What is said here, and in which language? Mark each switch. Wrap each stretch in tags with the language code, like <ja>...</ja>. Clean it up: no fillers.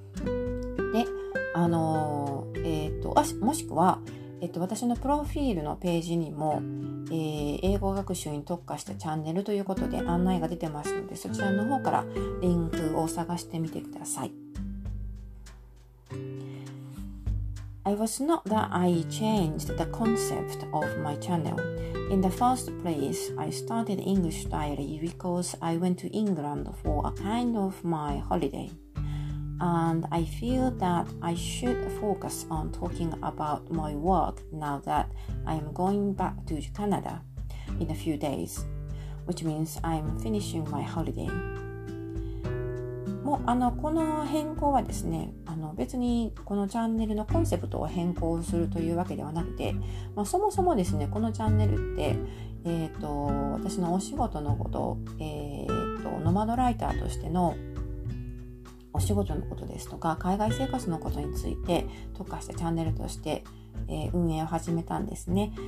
<ja>で、もしくは、私のプロフィールのページにも、英語学習に特化したチャンネルということで案内が出てますので、そちらの方からリンクを探してみてください。</ja> <en>It was not that I changed the concept of my channel. In the first place, I started English Diary because I went to England for a kind of my holiday. And I feel that I should focus on talking about my work now that I am going back to Canada in a few days, which means I am finishing my holiday.</en> <ja>もう、この変更はですね、別にこのチャンネルのコンセプトを変更するというわけではなくて、そもそもですね、このチャンネルって、私のお仕事のこと、ノマドライターとしてのお仕事のことですとか、海外生活のことについて特化したチャンネルとして、運営を始めたんですね。</ja>